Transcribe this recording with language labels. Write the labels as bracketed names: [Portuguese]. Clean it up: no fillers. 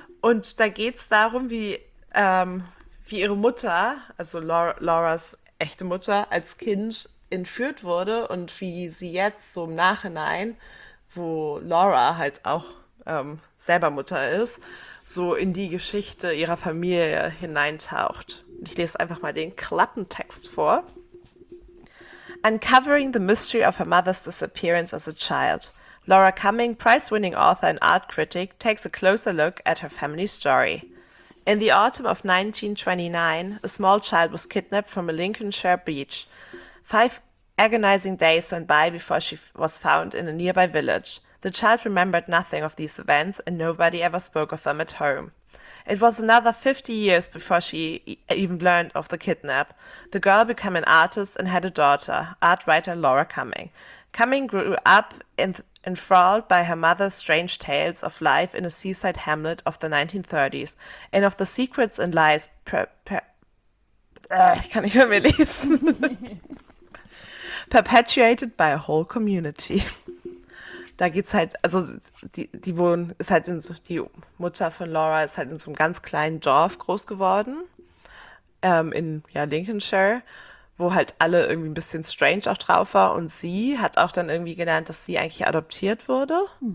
[German] Und da geht es darum, wie ihre Mutter, also Lauras echte Mutter, als Kind entführt wurde und wie sie jetzt so im Nachhinein, wo Laura halt auch selber Mutter ist, so in die Geschichte ihrer Familie hineintaucht. Und ich lese einfach mal den Klappentext vor. [English] Uncovering the mystery of her mother's disappearance as a child, Laura Cumming, prize-winning author and art critic, takes a closer look at her family story. In the autumn of 1929, a small child was kidnapped from a Lincolnshire beach. 5 agonizing days went by before she was found in a nearby village. The child remembered nothing of these events, and nobody ever spoke of them at home. It was another 50 years before she even learned of the kidnap. The girl became an artist and had a daughter, art writer Laura Cumming. Cumming grew up enthralled by her mother's strange tales of life in a seaside hamlet of the 1930s and of the secrets and lies I can't even read. perpetuated by a whole community. [German] Da geht's halt, also die wohnen, ist halt in so, die Mutter von Laura ist halt in so einem ganz kleinen Dorf groß geworden, in, ja, Lincolnshire, wo halt alle irgendwie ein bisschen strange auch drauf war. Und sie hat auch dann irgendwie gelernt, dass sie eigentlich adoptiert wurde.